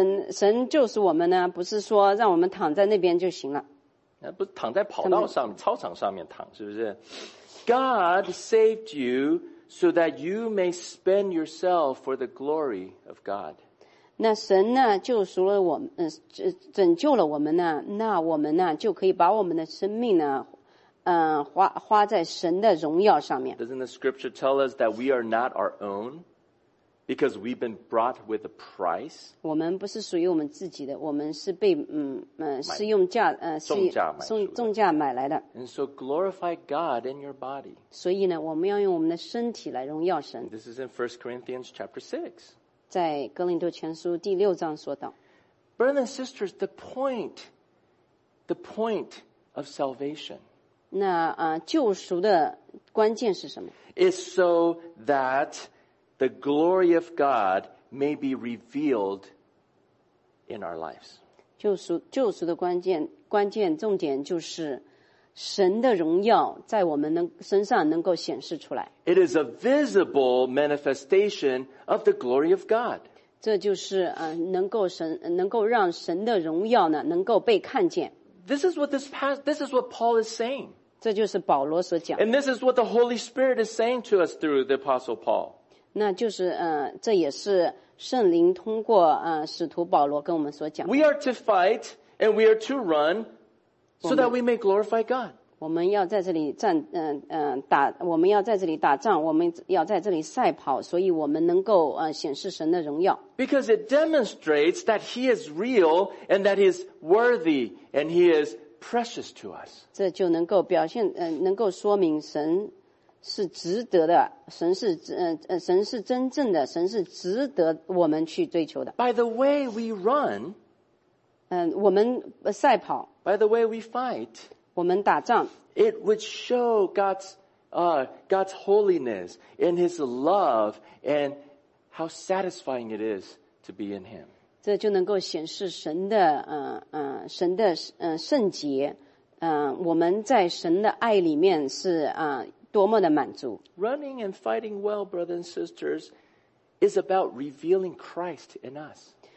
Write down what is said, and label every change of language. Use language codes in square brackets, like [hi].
[zh] 神救赎我们呢，不是说让我们躺在那边就行了。那不是躺在跑道上、操场上面躺，是不是？ [en] God saved you so that you may spend yourself for the glory of God. [zh] 那神呢救赎了我们，拯救了我们呢，那我们呢就可以把我们的生命呢，花在神的荣耀上面。 [en] Doesn't the scripture tell us that we are not our own because we've been brought with a price? [zh] 我们不是属于我们自己的，我们是被是用价重价买来的。 [en] And so glorify God in your body. [zh] 所以呢，我们要用我们的身体来荣耀神。 [en] This is in 1 Corinthians chapter 6. [zh] 在哥林多前书第六章说道。 [en] Brothers and sisters, the point of salvation. [zh] 那救赎的关键是什么 [en] ？Is so that the glory of God may be revealed in our lives. [zh] 救赎的关键重点就是神的荣耀在我们身上能够显示出来。 [en] It is a visible manifestation of the glory of God. [zh] 这就是能够让神的荣耀呢能够被看见。 [en] This is what Paul is saying. [zh] 这就是保罗所讲。 [en] And this is what the Holy Spirit is saying to us through the Apostle Paul. [zh] 那就是这也是圣灵通过使徒保罗跟我们所讲。 [en] We are to fight and we are to run so that we may glorify God. [zh] 我们要在这里打仗，我们要在这里赛跑，所以我们能够显示神的荣耀。 [en] Because it demonstrates that he is real and that he is worthy and he is precious to us. [zh] 这就能够表现能够说明神是值得的，神是真正的，神是值得我们去追求的。 [en] By the way we run, [zh] 我们赛跑。 [en] By the way we fight, [zh] 我们打仗。 [en] It would show God's holiness and His love and how satisfying it is to be in Him. [zh] 这就能够显示神的神的圣洁，我们在神的爱里面是多么的满足。 [en] Running and fighting well, brothers and sisters, is about revealing Christ in us.